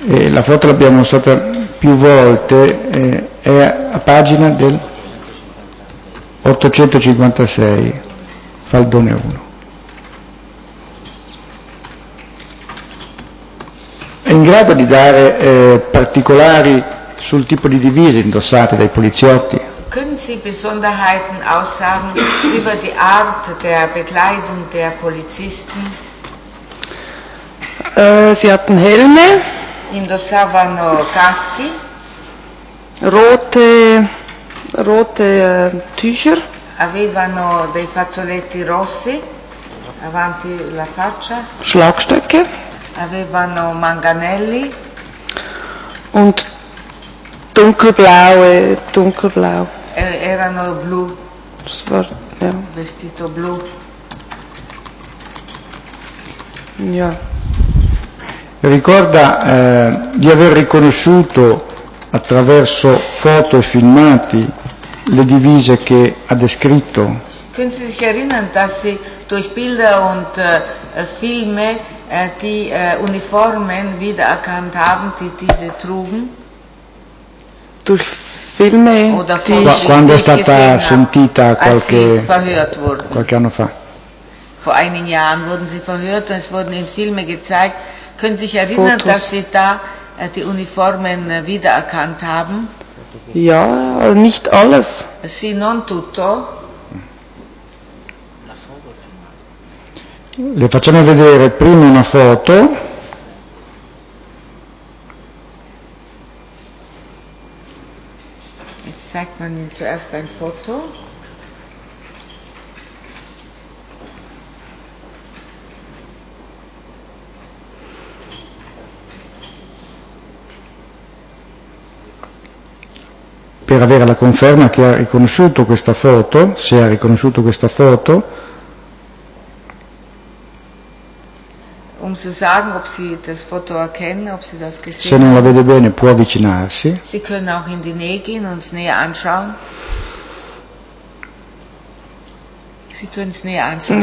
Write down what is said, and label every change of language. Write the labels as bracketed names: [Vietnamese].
[Italian] La foto l'abbiamo mostrata più volte, è a pagina del 856, faldone 1. È in grado di dare particolari sul tipo di divise indossate dai poliziotti? [German] Können Sie Besonderheiten aussagen über die Art der Bekleidung der Polizisten? Sie hatten Helme. [Italian] Indossavano caschi. [German] Rote Tücher. [Italian] Avevano dei fazzoletti rossi avanti la faccia. [German] Schlagstöcke. [Italian] Avevano manganelli. [German] Und dunkelblau. [Italian] Erano blu. [German] Das war, ja. [Italian] Vestito blu. [German] Ja. [Italian] Ricorda di aver riconosciuto attraverso foto e filmati le divise che ha descritto? [German] Können Sie sich erinnern, dass Sie durch Bilder und Filme die Uniformen wiedererkannt haben, die diese trugen? Durch Filme? Oder die, [Italian] quando è stata sentita qualche, [German] verhört wurden. [Italian] Qualche anno fa? [German] Vor einigen Jahren wurden Sie verhört und es wurden in Filme gezeigt. Können Sie sich erinnern, Fotos. Dass Sie da die Uniformen wiedererkannt haben? Ja, nicht alles. [Italian] Sì, non tutto. Le facciamo vedere prima una foto. [German] Jetzt zeigt man ihm zuerst ein Foto. [Italian] Per avere la conferma che ha riconosciuto questa foto, se ha riconosciuto questa foto. [German] Um zu sagen, ob sie das Foto erkennen, ob sie das gesehen. [Italian] Se non la vede bene, può avvicinarsi. [German] Sie können auch in die Nähe gehen und es näher anschauen. Sie können es näher anschauen.